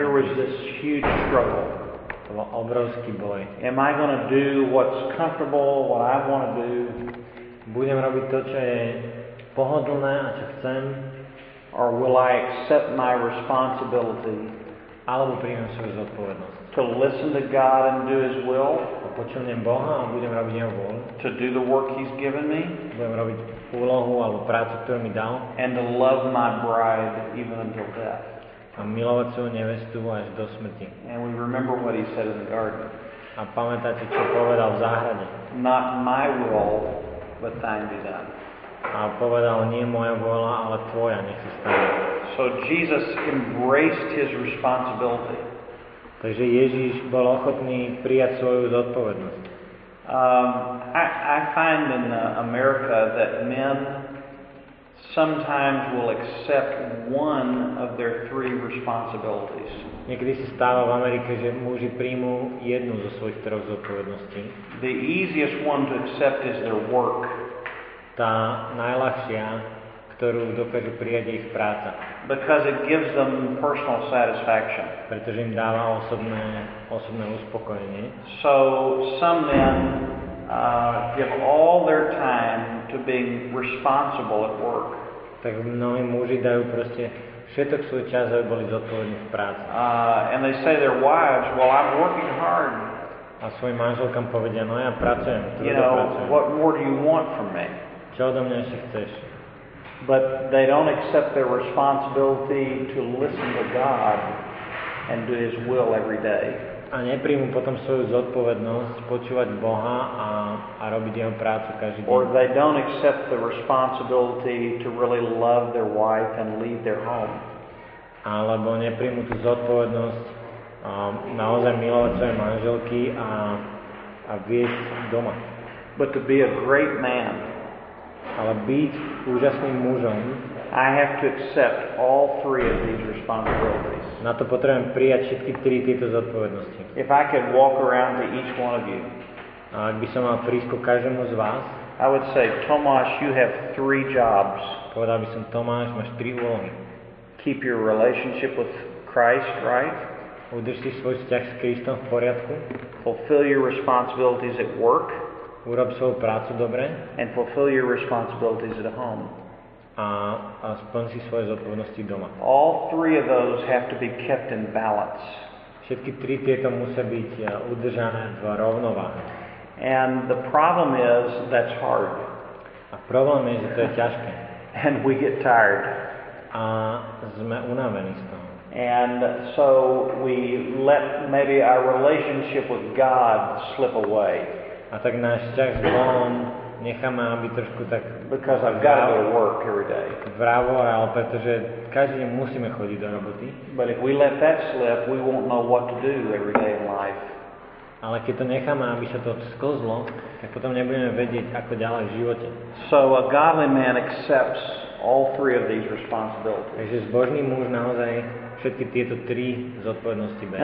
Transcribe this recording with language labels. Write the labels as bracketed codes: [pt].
[en] There was this huge struggle. [sk] To bol obrovský boj. [en] Am I going to do what's comfortable, what I want to do? [sk] Budem robiť to, čo je pohodlné a čo chcem? [en] Or will I accept my responsibility? [sk] Alebo príjmem svoju zodpovednosť. [en] To listen to God and do His will. [sk] A počúvam Boha a budem robiť Jeho vôľu. [en] To do the work He's given me. [sk] Budem robiť úlohu alebo prácu, ktorú mi dal. [en] And to love my bride even until death. [sk] A milovať svoju nevestu až do smrti. [en] And we remember what He said in the garden. [sk] A pamätáte, čo povedal v záhrade. [en] Not my will, but Thine be done. [sk] A povedal, nie moja vôľa, ale Tvoja, nech sa stane. [en] So Jesus embraced His responsibility. [sk] Takže Ježíš bol ochotný prijať svoju zodpovednosť. [en] I find in America that men sometimes will accept one of their three responsibilities. [sk] Niekedy sa stáva v Amerike, že muži príjmu jednu zo svojich troch zodpovedností. [en] The easiest one to accept is their work. [sk] Tá najľahšia, ktorú dokážu prijať, ich práca. [en] Because it gives them personal satisfaction. [sk] Pretože im dáva osobné uspokojenie. [en] So some men give all their time to being responsible at work. [sk] Tak mnohí muži dajú proste všetok svoj čas, aby boli zodpovední v práci. [en] And they say their wives, well, I'm working hard. [sk] A svojim manželkám povedia, no ja pracujem, tvrdo pracujem. [en] You know, what more do you want from me? [sk] Čo odo mňa ešte chceš? [en] But they don't accept their responsibility to listen to God and do His will every day. [sk] A neprijmú potom svoju zodpovednosť počúvať Boha a robiť Jeho prácu každý deň. [en] Or they don't accept the responsibility to really love their wife and lead their home. [sk] Alebo neprijmú tú zodpovednosť naozaj milovať svoje manželky a viesť doma. [en] But to be a great man. [sk] Ale byť úžasným mužom. [en] I have to accept all three of these responsibilities. [sk] Na to potrebujem prijať všetky tri tieto zodpovednosti. [en] If I could walk around to each one of you. [sk] A ak by som mal prísť každému z vás. [en] I would say, Tomáš, you have three jobs. [sk] Povedal by som, Tomáš, máš tri úlohy. [en] Keep your relationship with Christ right. [sk] Udrž si svoj vzťah s Kristom v poriadku. [en] Fulfill your responsibilities at work. [sk] Urob svoju prácu dobre. [en] And fulfill your responsibilities at home. [sk] A spĺň si svoje zodpovednosti doma. [en] All three of those have to be kept in balance. [sk] Všetky tri tieto musia byť udržané v rovnováhe. [en] And the problem is that's hard. [sk] A problém je, že to je ťažké. [en] And we get tired. [sk] A sme unavení z toho. [en] And so we let maybe our relationship with God slip away. [sk] A tak náš vzťah s Bohom necháme, aby trošku tak... [en] Because I've got to go to work every day. [sk] Vravo, ale pretože každý deň musíme chodiť do roboty. [en] But if we let that slip, we won't know what to do every day in life. [sk] Ale keď to necháme, aby sa to sklzlo, tak potom nebudeme vedieť, ako ďalej v živote. [en] So a godly man accepts all three of these responsibilities. [sk] Takže zbožný muž naozaj všetky tieto tri zodpovednosti berie.